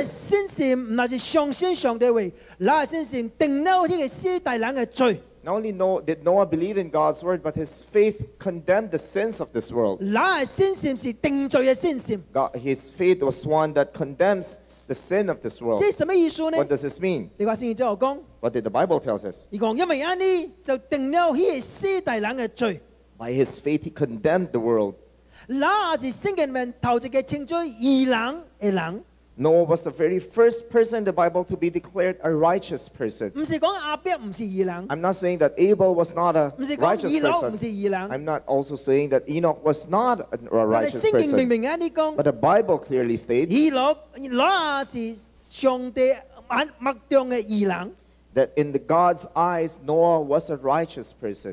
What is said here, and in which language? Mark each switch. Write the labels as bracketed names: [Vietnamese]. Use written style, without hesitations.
[Chinese] 那信心那是相信上帝位，那信心定了这个世代人的罪。 [English] Not only Noah, did Noah believe in God's word, but his faith condemned the sins of this world. God, his faith was one that condemns the sin of this world. [Chinese] 这是什么意思呢? [English] What does this mean? [Chinese] 你说圣经之后说, [English] what did the Bible tell us? [Chinese] 他说因为这样就定了这个世代人的罪。 [English] By his faith, he condemned the world. [Chinese] 那是圣经里面头一个称罪义人的人。 [English] Noah was the very first person in the Bible to be declared a righteous person. I'm not saying that Abel was not a righteous person. I'm not also saying that Enoch was not a righteous person. But the Bible clearly states that in the God's eyes, Noah was a righteous person.